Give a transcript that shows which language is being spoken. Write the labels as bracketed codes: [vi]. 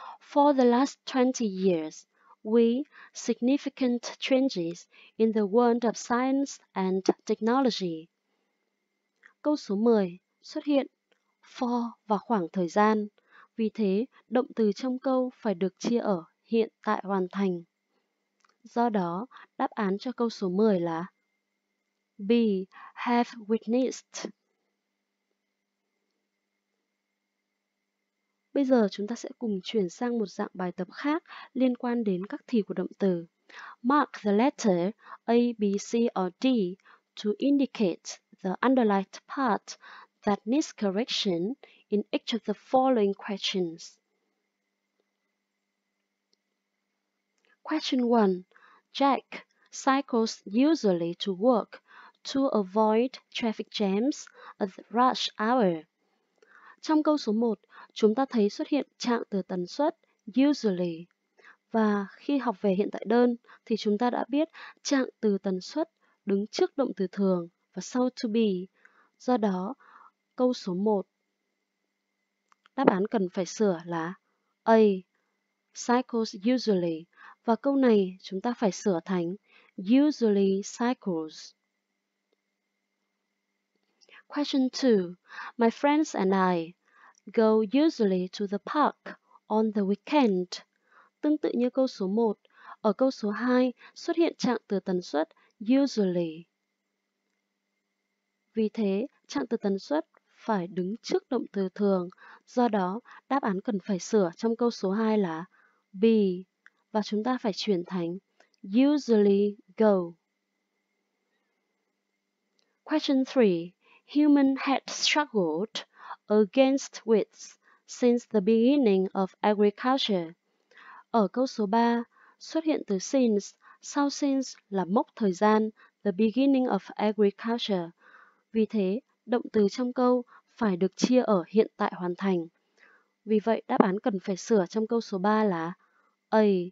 [en] For the last 20 years, we significant changes in the world of science and technology. [vi] Câu số 10 xuất hiện for và khoảng thời gian. Vì thế, động từ trong câu phải được chia ở hiện tại hoàn thành. Do đó, đáp án cho câu số 10 là B. [en] Have witnessed. [vi] Bây giờ chúng ta sẽ cùng chuyển sang một dạng bài tập khác liên quan đến các thì của động từ. [en] Mark the letter A, B, C or D to indicate the underlined part that needs correction in each of the following questions. Question 1. Jack cycles usually to work to avoid traffic jams at rush hour. [vi] Trong câu số 1, chúng ta thấy xuất hiện trạng từ tần suất usually. Và khi học về hiện tại đơn thì chúng ta đã biết trạng từ tần suất đứng trước động từ thường và sau to be. Do đó, câu số 1 đáp án cần phải sửa là A. [en] Cycles usually. [vi] Và câu này chúng ta phải sửa thành [en] usually cycles. Question 2. My friends and I go usually to the park on the weekend. [vi] Tương tự như câu số 1, ở câu số 2 xuất hiện trạng từ tần suất usually. Vì thế, trạng từ tần suất phải đứng trước động từ thường. Do đó, đáp án cần phải sửa trong câu số 2 là B. Và chúng ta phải chuyển thành [en] usually go. Question 3. Human had struggled against weeds since the beginning of agriculture. [vi] Ở câu số 3, xuất hiện từ since, sau since là mốc thời gian, [en] the beginning of agriculture. [vi] Vì thế, động từ trong câu phải được chia ở hiện tại hoàn thành. Vì vậy, đáp án cần phải sửa trong câu số 3 là A.